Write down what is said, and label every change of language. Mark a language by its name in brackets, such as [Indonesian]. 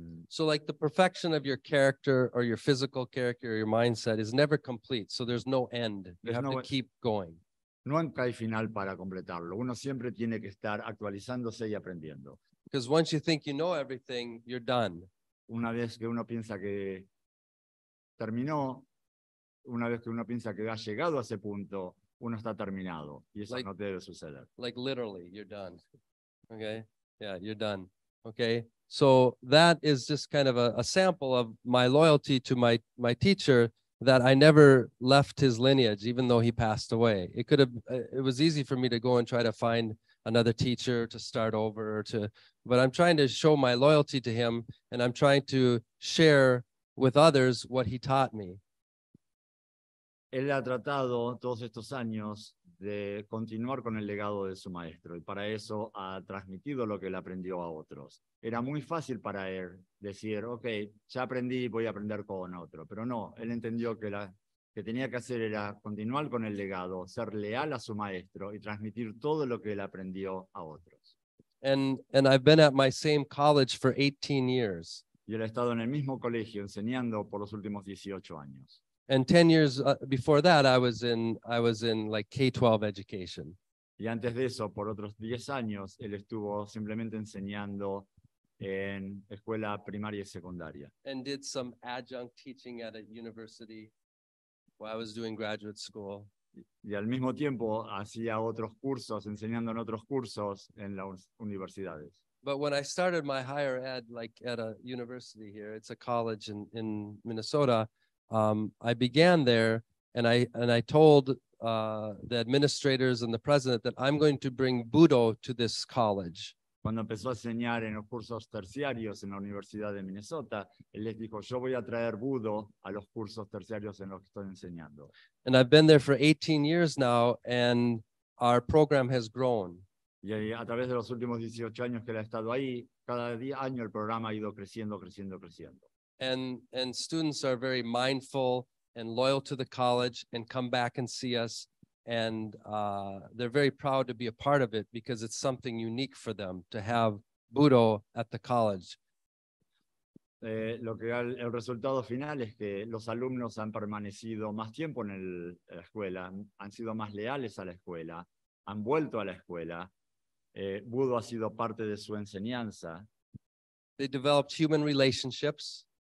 [English] So like the perfection of your character or your physical character or your mindset is never complete, so there's no end. You have to keep going. [Spanish] Nunca hay final para completarlo. Uno siempre tiene que estar actualizándose y aprendiendo. [English] Because once you think you know everything, you're done. [Spanish] Una vez que uno piensa que terminó, una vez que uno piensa que ha llegado a ese punto, uno está terminado. Y eso like, no debe suceder. [English] Like literally, you're done. Okay? Yeah, you're done. Okay? So that is just kind of a sample of my loyalty to my, my teacher, that I never left his lineage, even though he passed away. It could have, it was easy for me to go and try to find another teacher to start over or to, but I'm trying to show my loyalty to him and I'm trying to share with others what he taught me. [Spanish] Él ha tratado todos estos años de continuar con el legado de su maestro y para eso ha transmitido lo que él aprendió a otros. Era muy fácil para él decir, ok, ya aprendí, voy a aprender con otro. Pero no, él entendió que lo que tenía que hacer era continuar con el legado, ser leal a su maestro y transmitir todo lo que él aprendió a otros. [English] And I've been at my same college for 18 years. [Spanish] Y él ha estado en el mismo colegio enseñando por los últimos 18 años. [English] And 10 years before that, I was in like K-12 education. [Spanish] Y antes de eso, por otros 10 años, él estuvo simplemente enseñando en escuela primaria y secundaria. [English] And did some adjunct teaching at a university while I was doing graduate school. [Spanish] Y al mismo tiempo, hacía otros cursos, enseñando en otros cursos en las universidades. [English] But when I started my higher ed, like at a university here, it's a college in Minnesota, I began there and I told the administrators and the president that I'm going to bring Budo to this college. [Spanish] Cuando empezó a enseñar en los cursos terciarios en la Universidad de Minnesota, él les dijo, yo voy a traer Budo a los cursos terciarios en los que estoy enseñando. [English] And I've been there for 18 years now and our program has grown. [Spanish] Y a través de los últimos 18 años que él ha estado ahí, cada día, año el programa ha ido creciendo. [English] And students are very mindful and loyal to the college and come back and see us. And they're very proud to be a part of it because it's something unique for them to have Budo at the college. [Spanish] Lo que el resultado final es que los alumnos han permanecido más tiempo en el, la escuela, han sido más leales a la escuela, han vuelto a la escuela. Budo ha sido parte de su enseñanza. [English] They developed human relationships.